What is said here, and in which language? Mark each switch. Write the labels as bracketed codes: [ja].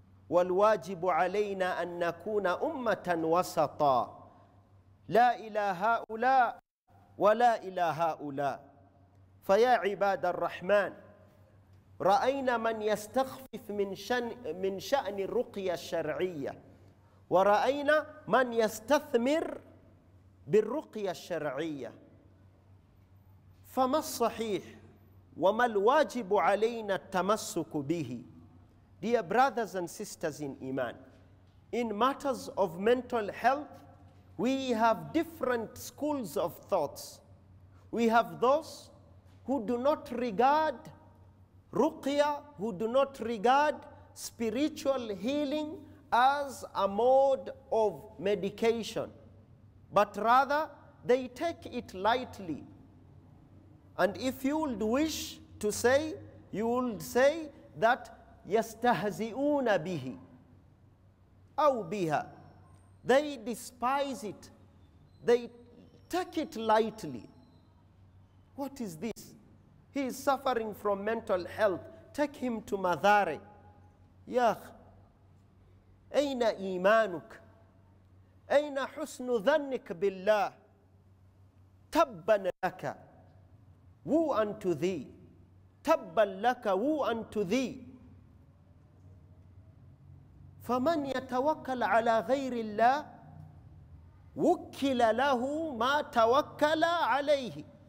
[ar] والواجب علينا أن نكون أمة وسطا لا إلى هؤلاء ولا إلى هؤلاء فيا عباد الرحمن رأينا من يستخفف من شأن الرقية الشرعية ورأينا من يستثمر بالرقية الشرعية فما الصحيح وما الواجب علينا التمسك به. [en] Dear brothers and sisters in Iman, in matters of mental health, we have different schools of thoughts. We have those who do not regard ruqya, who do not regard spiritual healing as a mode of medication, but rather they take it lightly. And if you would wish to say, you would say that [ar] يستهزئون به أو بها. [en] They despise it. They take it lightly. What is this? He is suffering from mental health. Take him to Madhare. [ar] يا أخ أين إيمانك؟ أين حسن ظنك بالله؟ تبا لك وأن تذي تبا لك وأن تذي فمن يتوكل على غير الله وكل له ما توكل عليه.